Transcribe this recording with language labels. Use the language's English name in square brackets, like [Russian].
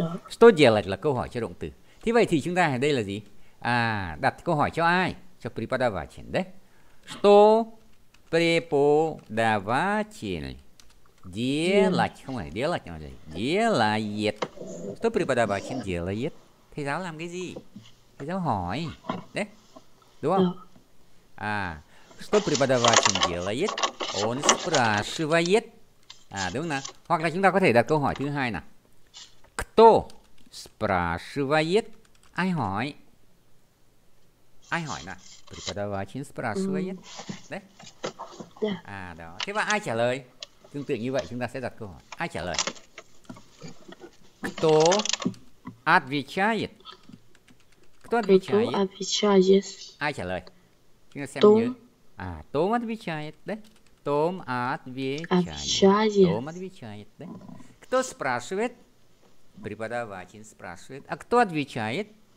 [Russian] Что делать [Vietnamese] là câu hỏi cho động từ. Thế vậy thì chúng ta ở đây là gì? À, đặt câu hỏi cho ai? Cho преподаватель. Đấy. [Russian] Что преподаватель делать? [Vietnamese] Không phải делать, mà делает. [Russian] Что преподаватель делает? [Vietnamese] Thầy giáo làm cái gì? Thầy giáo hỏi. Đấy. Đúng không? À. [Russian] Что преподаватель делает? Он спрашивает. [Vietnamese] À, đúng không nào? Hoặc là chúng ta có thể đặt câu hỏi thứ hai nào. [Russian] Кто спрашивает? [Vietnamese] Ai hỏi? Ai hỏi nào? [Russian] Преподаватель спрашивает. [Vietnamese] Đấy. À đó. Thế và ai trả lời? Tương tự như vậy chúng ta sẽ đặt câu hỏi. Ai trả lời? [Russian] Кто отвечает? Кто отвечает? [Vietnamese] Ai trả lời? Chúng ta xem nhớ. [Russian] À, Tom отвечает. [Vietnamese] Đấy. [Russian] Tom отвечает. Tom отвечает. Đấy. Кто спрашивает? Преподаватель спрашивает, а кто отвечает?